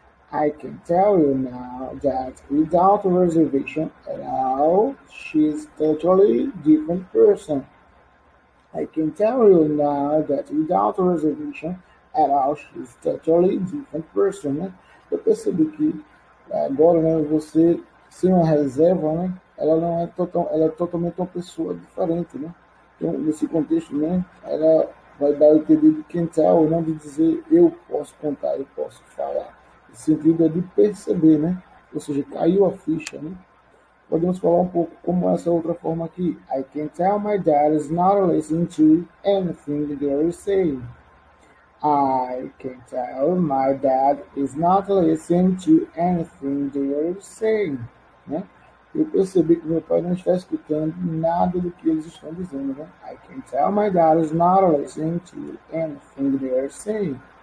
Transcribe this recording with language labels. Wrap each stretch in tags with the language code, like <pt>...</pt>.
<en>I can tell you now that without reservation, she's totally different person. I can tell you now that without reservation, she's totally different person. Né?</en> <pt>Eu percebi que agora, né, você sem uma reserva, né, ela não é total, ela é totalmente uma pessoa diferente, né? Então, nesse contexto, né, ela vai dar o entendido de quem tal, não de dizer eu posso contar, eu posso falar. O sentido é de perceber, né? Ou seja, caiu a ficha, né? Podemos falar um pouco como essa outra forma aqui.</pt> <en>I can tell my dad is not listening to anything that you say. I can tell my dad is not listening to anything that you say.</en> <pt>Né? Eu percebi que meu pai não está escutando nada do que eles estão dizendo. Né?</pt> <en>I can tell my dad is not listening to anything they are saying.</en>